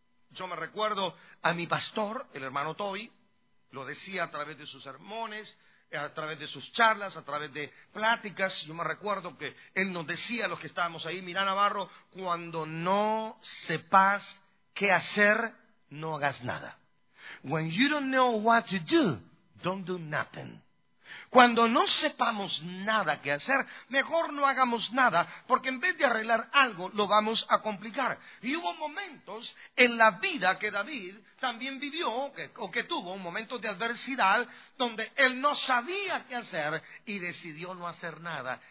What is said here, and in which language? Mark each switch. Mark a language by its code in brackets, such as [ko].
[es] Yo me recuerdo a mi pastor, el hermano Toby, lo decía a través de sus sermones, a través de sus charlas, a través de pláticas. Yo me recuerdo que él nos decía a los que estábamos ahí: mira, Navarro, cuando no sepas qué hacer, no hagas nada. [en] When you don't know what to do, don't do nothing. [es] Cuando no sepamos nada que hacer, mejor no hagamos nada, porque en vez de arreglar algo, lo vamos a complicar. Y hubo momentos en la vida que David también vivió, o que tuvo un momento de adversidad, donde él no sabía qué hacer y decidió no hacer nada.